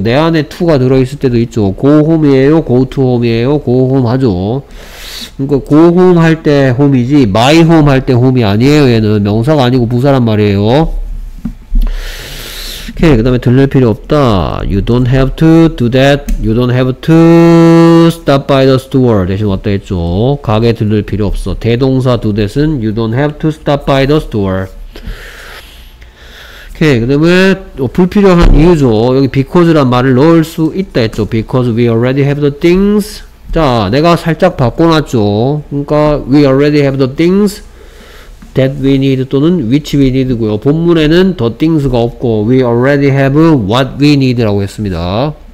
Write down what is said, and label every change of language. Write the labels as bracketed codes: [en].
[ko] 내 안에 to가 들어있을 때도 있죠. go home이에요. go to home이에요. go home 하죠. 그러니까 go home 할 때 home이지 my home 할 때 home이 아니에요. 얘는 명사가 아니고 부사란 말이에요. 오케이. 그 다음에 들릴 필요 없다. [en] you don't have to do that. you don't have to stop by the store. [ko] 대신 왔다 했죠. 가게 들릴 필요 없어. 대동사 [en] do that은 you don't have to stop by the store. [ko] 오케이. 그 다음에 불필요한 이유죠. 여기 because란 말을 넣을 수 있다 했죠. [en] Because we already have the things. [ko] 자, 내가 살짝 바꿔놨죠. 그러니까 [en] we already have the things that we need 또는 which we need고요. [ko] 본문에는 the things가 없고 [en] we already have what we need [ko] 라고 했습니다.